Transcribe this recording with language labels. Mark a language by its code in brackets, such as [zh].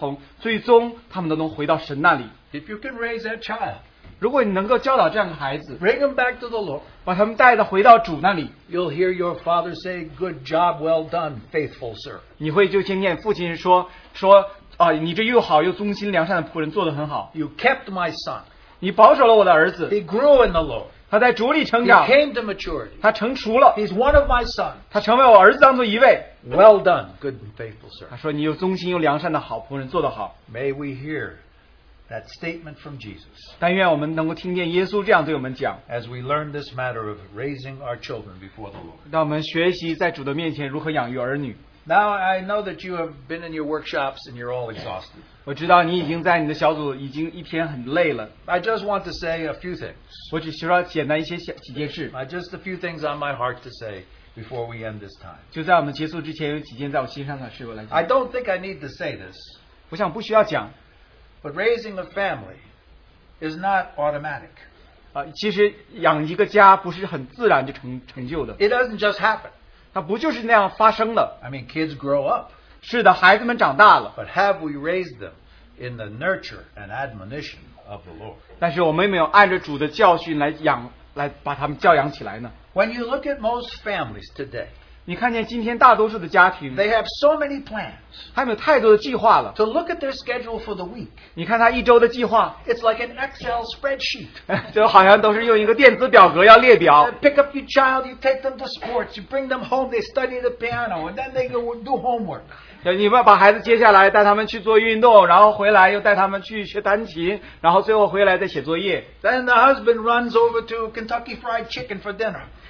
[zh] 我希望在座我们这里每一个家每一个的儿童，最终他们都能回到神那里。 [en] If you can raise that child, [zh] 如果你能够教导这样的孩子， [en] bring them back to the Lord, [zh] 把他们带着回到主那里。 [en] You'll hear your father say, "Good job, well done, faithful sir." [zh] 你会就听见父亲说，你这又好又忠心良善的仆人，做得很好。 [en] You kept my son. [zh] 你保守了我的儿子。 [en] He grew in the Lord. [zh] 他在主里成长。 [en] He came to maturity. [zh] 他成熟了。 [en] He's one of my sons. [zh] 他成为我儿子当中一位。 [en] Well done, good and faithful sir. [zh] 他说你又忠心又良善的好仆人，做得好。 [en] May we hear that statement from Jesus. [zh] 但愿我们能够听见耶稣这样对我们讲。 [en] As we learn this matter of raising our children before the Lord. [zh] 让我们学习在主的面前如何养育儿女。 [en] Now I know that you have been in your workshops and you're all exhausted. [zh] 我知道你已经在你的小组已经一天很累了。 [en] I just want to say a few things. [zh] 我只需要简单一些几件事。 [en] Just a few things on my heart to say. Before we end this time, [zh] 就在我们结束之前，有几件在我心上的事我来讲。 [en] I don't think I need to say this. [zh] 我想不需要讲。 [en] But raising a family is not automatic. [zh] 其实养一个家不是很自然就成就的。 [en] It doesn't just happen. [zh] 它不就是那样发生的。 [en] I mean, kids grow up. [zh] 是的，孩子们长大了。 [en] But have we raised them in the nurture and admonition of the Lord? [zh] 但是我们有没有按着主的教训来把他们教养起来呢？ [en] When you look at most families today, [zh] 你看见今天大多数的家庭, [en] they have so many plans, [zh] 他们有太多的计划了, [en] to look at their schedule for the week. [zh] 你看他一周的计划, [en] it's like an Excel spreadsheet. [zh] 就好像都是用一个电子表格要列表。 [en] Pick up your child, you take them to sports, you bring them home, they study the piano, and then they go do homework. [zh] 你们把孩子接下来带他们去做运动，然后回来又带他们去学弹琴，然后最后回来再写作业。 [en] Then the husband runs over to Kentucky Fried Chicken for dinner.